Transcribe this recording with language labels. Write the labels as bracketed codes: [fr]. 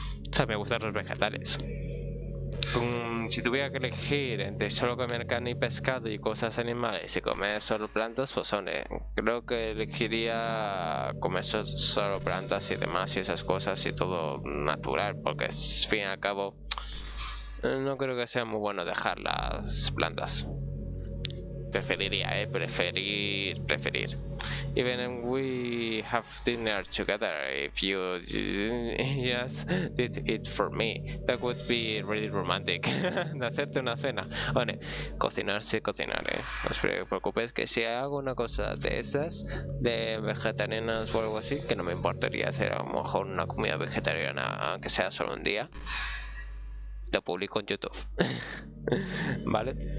[es] O sea, me gustan los vegetales. Si tuviera que elegir entre solo comer carne y pescado y cosas animales y comer solo plantas, pues hombre, creo que elegiría comer solo plantas y demás y esas cosas y todo natural, porque al fin y al cabo no creo que sea muy bueno dejar las plantas. Preferir. [en] Even we have dinner together, if you just did it for me, that would be really romantic. [es] De hacerte una cena. Bueno, cocinar sí, cocinar, No os preocupes que si hago una cosa de esas, de vegetarianas o algo así, que no me importaría hacer a lo mejor una comida vegetariana, aunque sea solo un día, lo publico en YouTube. ¿Vale?